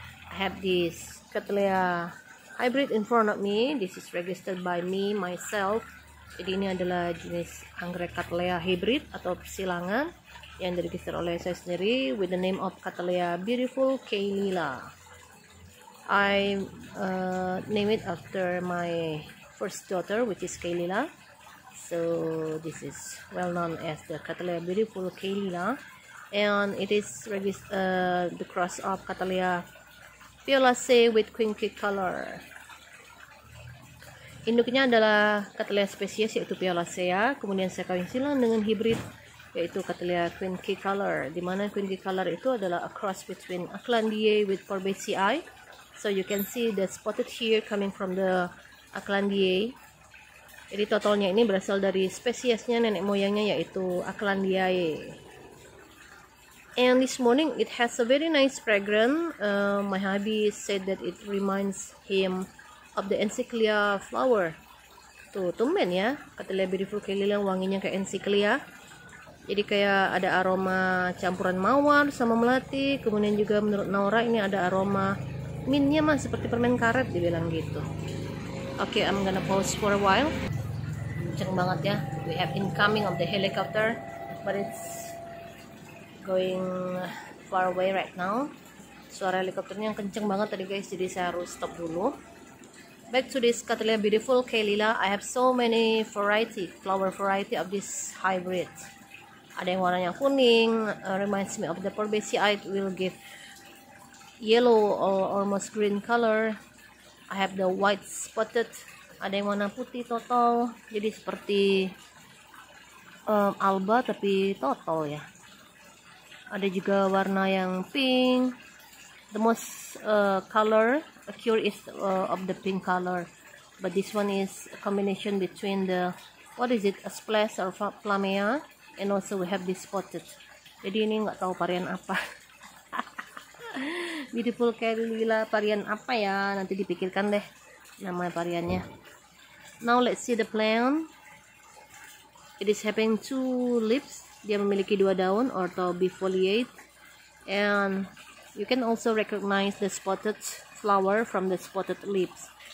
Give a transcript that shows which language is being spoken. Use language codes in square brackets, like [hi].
[en] I have this Cattleya hybrid in front of me. This is registered by me, myself. [id] Jadi ini adalah jenis anggrek Cattleya hybrid atau persilangan yang diregister oleh saya sendiri [en] with the name of [id] Cattleya Beautiful Kaylila. [en] I name it after my first daughter, which is Kaylila. So this is well known as the Cattleya Beautiful Kaylila, and it is the cross of Cattleya Violace with Queen Kate color. [id] Induknya adalah Cattleya spesies yaitu Violace ya. Kemudian saya kawin silang dengan hibrid yaitu Cattleya Queen Kate color. Di mana Queen Kate color itu adalah [en] a cross between [id] Aklandia with Forbesii. [en] So you can see the spotted here coming from the Aklandia. [id] Jadi totalnya ini berasal dari spesiesnya nenek moyangnya yaitu Aklandiae. [en] And this morning it has a very nice fragrance. My hubby said that it reminds him of the encyclia flower. [id] Tuh, tumben ya. Cattleya Beautiful Kaylila wanginya kayak encyclia. Jadi kayak ada aroma campuran mawar sama melati. Kemudian juga menurut Naura ini ada aroma mintnya mah seperti permen karet, dibilang gitu. [en] Okay, I'm gonna pause for a while. [id] Kenceng banget ya. [en] We have incoming of the helicopter, but it's going far away right now. [id] Suara helikopternya yang kenceng banget tadi guys, jadi saya harus stop dulu. [en] Back to this Cattleya Beautiful Kaylila. I have so many variety, flower variety of this hybrid. [id] Ada yang warnanya kuning, [en] reminds me of the Forbesii. It will give yellow or almost green color. I have the white spotted. [id] Ada yang warna putih total, jadi seperti alba tapi total ya. Ada juga warna yang pink. [en] The most color occur is of the pink color, but this one is a combination between the what is it, a splash or flamea, and also we have this spotted. [id] Jadi ini nggak tahu varian apa. Beautiful Kaylila varian apa ya, nanti dipikirkan deh nama variannya. [en] Now let's see the plant. It is having two leaves. [id] Dia memiliki dua daun atau bifoliate. [en] And you can also recognize the spotted flower from the spotted leaves.